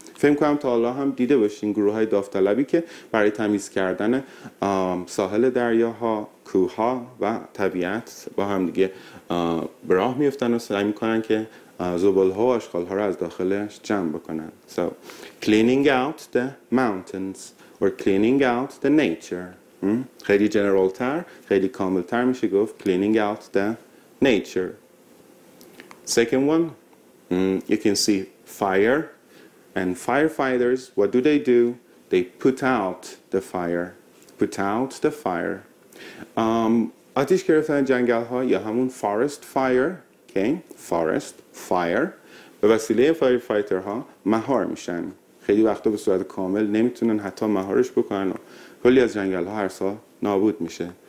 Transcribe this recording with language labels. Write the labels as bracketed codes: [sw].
[fa] فهم کنم تا الان هم دیده باشین گروه های داوطلبی که برای تمیز کردن ساحل دریاها، کوها و طبیعت با هم دیگه براه میفتن و سعی میکنن که زبال ها و اشغال ها رو از داخلش جمع بکنن. [en] So, cleaning out the mountains or cleaning out the nature. [fa] خیلی جنرال تر، خیلی کامل تر میشه گفت [en] cleaning out the nature. Second one, You can see fire, and firefighters, what do? They put out the fire. Put out the fire. [fa] آتیش گرفتن جنگل ها یا همون [en] forest fire, okay? Forest fire [fa] به وسیله firefighter ها مهار میشن. خیلی وقتا به صورت کامل نمیتونن حتی مهارش بکنن و کلی از جنگل ها هر سال نابود میشه.